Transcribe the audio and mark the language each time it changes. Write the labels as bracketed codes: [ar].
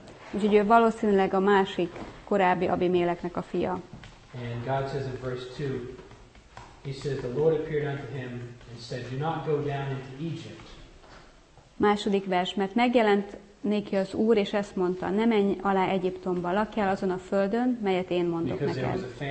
[hu] Úgyhogy ő valószínűleg a másik korábbi Abimelechnek a fia. [en] And God says in verse 2, he says, the Lord appeared unto him and said, do not go down into Egypt. [hu] Második vers, mert megjelent néki az Úr, és ezt mondta, ne menj alá Egyiptomba, lakjál azon a földön, melyet én mondok neked.